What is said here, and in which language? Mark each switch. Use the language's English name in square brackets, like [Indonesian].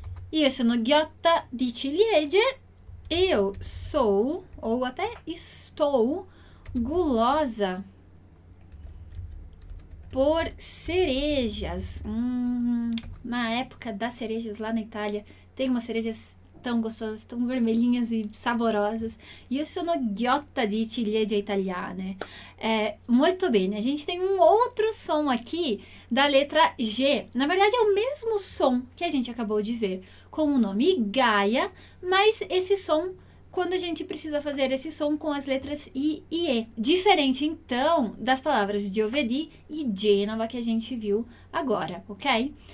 [Italian] Io sono ghiotta di ciliegie, [Portuguese] eu sou, ou até estou, gulosa por cerejas. Na época das cerejas lá na Itália, tem umas cerejas tão gostosas, tão vermelhinhas e saborosas. [Italian] Io sono ghiotta di ciliegie italiane. Molto bene, [Portuguese] a gente tem um outro som aqui da letra G. Na verdade, é o mesmo som que a gente acabou de ver com o nome Gaia, mas esse som, quando a gente precisa fazer esse som com as letras I e E. Diferente, então, das palavras Giovedì e Genova que a gente viu agora, ok?